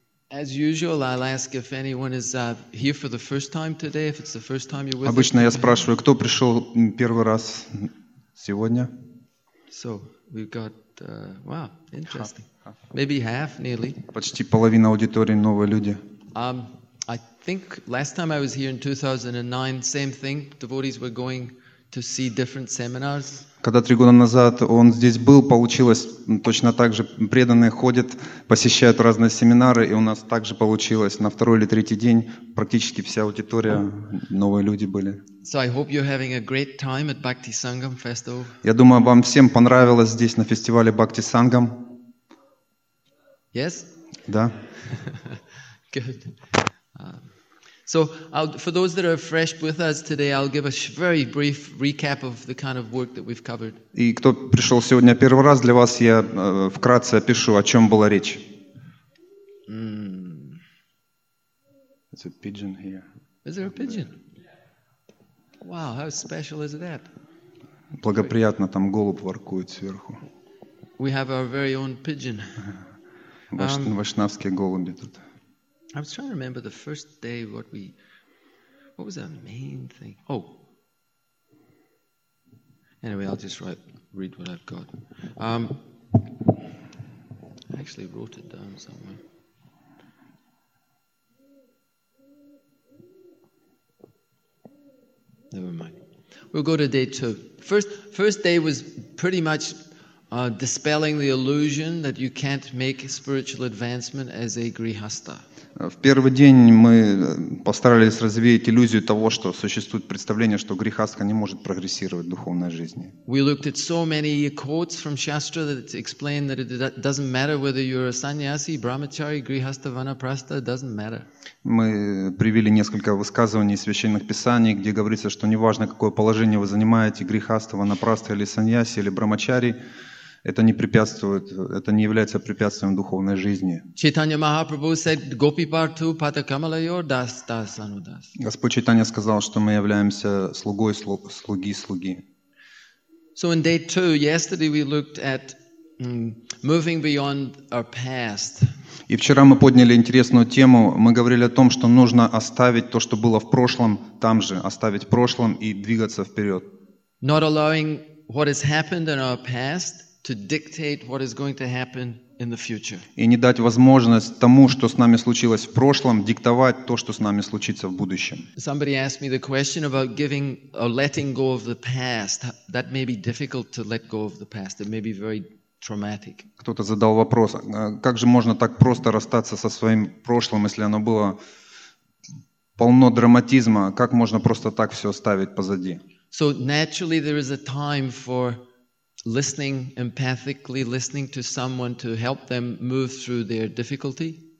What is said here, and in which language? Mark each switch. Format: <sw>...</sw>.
<en>As usual, I'll ask if anyone is here for the first time today, if it's the first time you're with</en> <ru>Обычно я спрашиваю, кто пришел первый раз сегодня?</ru> <en>So, we've got, wow, interesting. Maybe half, nearly.</en> <ru>Почти половина аудитории новые люди.</ru> <en>I think last time I was here in 2009, same thing. Devotees were going to see different seminars.</en> <ru>Когда три года назад он здесь был, получилось точно так же. Преданные ходят, посещают разные семинары, и у нас также получилось. На второй или третий день практически вся аудитория, новые люди были.</ru> <en>So I hope you're having a great time at Bhakti Sangam Festival.</en> <ru>Я думаю, вам всем понравилось здесь на фестивале Bhakti Sangam.</ru> <en>Yes?</en> <ru>Да.</ru> <en>Good. So, for those that are fresh with us today, I'll give a very brief recap of the kind of work that we've covered.</en> <ru>И кто пришел сегодня первый раз, для вас я вкратце опишу, о чем была речь.</ru> <en>It's a pigeon here. Is there a pigeon? Wow, how special is that?</en> <ru>Благоприятно, там голубь воркует сверху.</ru> <en>We have our very own pigeon.</en> <ru>Вашнавские голуби тут.</ru> <en>I was trying to remember the first day what was our main thing? Oh. Anyway, I'll just read what I've got. I actually wrote it down somewhere. Never mind. We'll go to day two. First day was pretty much dispelling the illusion that you can't make spiritual advancement as a grihastha.</en> <ru>В первый день мы постарались развеять иллюзию того, что существует представление, что грихастха не может прогрессировать в духовной жизни.</ru> <en>We looked at so many quotes from Shastra that explain that it doesn't matter whether you're a sannyasi, brahmachari, grihastha, vanaprastha, it doesn't matter.</en> <ru>Мы привели несколько высказываний из священных писаний, где говорится, что неважно, какое положение вы занимаете, грихастха, ванапрастха или саньяси, или брамачари, это не препятствует, это не является препятствием духовной жизни.</ru> <sa>Чайтанья Махапрабху said, Gopi Partu Patakamalayor Das Das Anudas.</sa> <ru>Господь Чайтанья сказал, что мы являемся слугой слуги.</ru> <en>So in day two, yesterday we looked at moving beyond our past.</en> <ru>И вчера мы подняли интересную тему. Мы говорили о том, что нужно оставить то, что было в прошлом, там же, оставить в прошлом и двигаться вперед.</ru> <en>Not allowing what has happened in our past to dictate what is going to happen in the future.</en> <ru>И не дать возможность тому, что с нами случилось в прошлом, диктовать то, что с нами случится в будущем.</ru> <en>Somebody asked me the question about giving or letting go of the past. That may be difficult to let go of the past. It may be very traumatic.</en> <ru>Кто-то задал вопрос, как же можно так просто расстаться со своим прошлым, если оно было полно драматизма? Как можно просто так все оставить позади?</ru> <en>So naturally there is a time for listening empathically, listening to someone to help them move through their difficulty.</en>